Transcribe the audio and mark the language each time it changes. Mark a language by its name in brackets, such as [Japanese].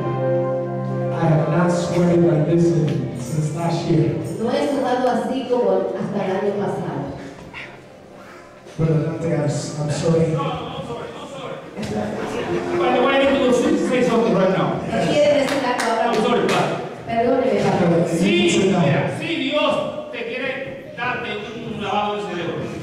[English] I have not sweated like this since last year. [Spanish] No he sudado así como hasta el año pasado. [English] Brother Dante, I'm sorry. I'm sorry. By the way, I need to say something right now. Yes. I'm sorry, Padre. [Spanish] Perdóneme, Padre. Sí, sí, sí, Dios te quiere darte un lavado de cerebro.